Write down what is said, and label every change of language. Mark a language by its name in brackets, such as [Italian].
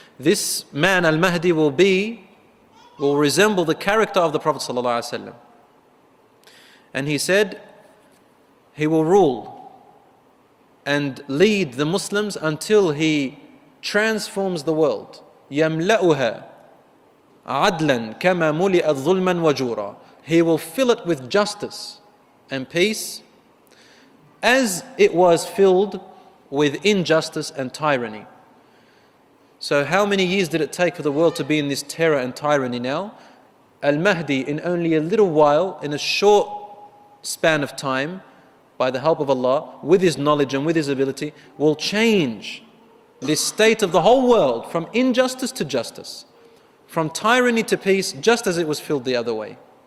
[English] This man, Al-Mahdi, will resemble the character of the Prophet Sallallahu Alaihi Wasallam. And he said, he will rule and lead the Muslims until he transforms the world. [Arabic] يَمْلَأُهَا عَدْلًا كَمَا مُلِئَ الظُّلْمًا وَجُورًا. [English] He will fill it with justice and peace as it was filled with injustice and tyranny. So how many years did it take for the world to be in this terror and tyranny now? Al-Mahdi, in only a little while, in a short span of time, by the help of Allah, with his knowledge and with his ability, will change this state of the whole world from injustice to justice, from tyranny to peace, just as it was filled the other way.